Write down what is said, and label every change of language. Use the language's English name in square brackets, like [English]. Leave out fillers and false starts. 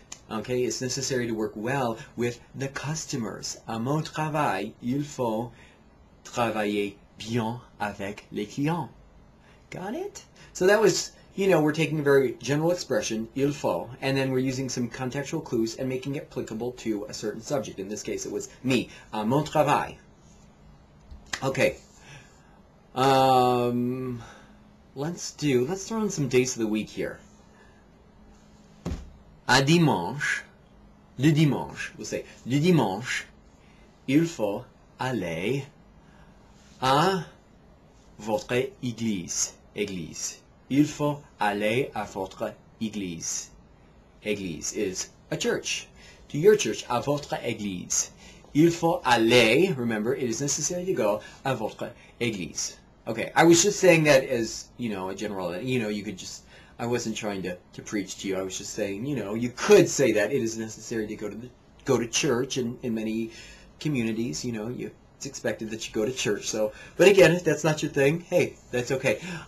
[English] Okay, it's necessary to work well with the customers. [French] À mon travail, il faut travailler bien avec les clients. [English] Got it? So that was, you know, we're taking a very general expression, il faut, and then we're using some contextual clues and making it applicable to a certain subject. In this case, it was me. [French] À mon travail. [English] Okay. Let's throw in some days of the week here. [French] À dimanche, le dimanche, [English] we'll say, [French] le dimanche, il faut aller à votre église. Il faut aller à votre église. Église [English] is a church. To your church, [French] à votre église. Il faut aller, [English] remember, it is necessary to go, à votre église. Okay, I was just saying that as, you know, a general, you know, you could just, I wasn't trying to preach to you, I was just saying, you know, you could say that it is necessary to go to church in many communities, you know, it's expected that you go to church, so, but again, if that's not your thing, hey, that's okay.